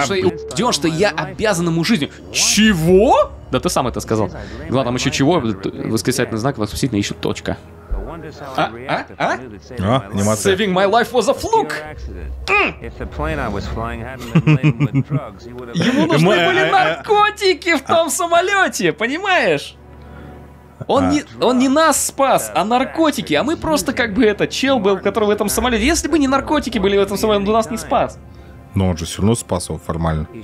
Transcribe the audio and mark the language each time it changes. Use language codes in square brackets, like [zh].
[ru] Потому что я убежден, что я обязан ему жизнью. Чего? Да ты сам это сказал. Главное, там еще чего? Восклицательный знак, восклицательный, еще точка. А? Анимация. [en] Saving my life was a fluke. [ru] Ему нужны были наркотики в том самолете, понимаешь? Он не нас спас, а наркотики. А мы просто как бы это, чел был, который в этом самолете. Если бы не наркотики были в этом самолете, он бы нас не спас. Но он же все равно спас его формально.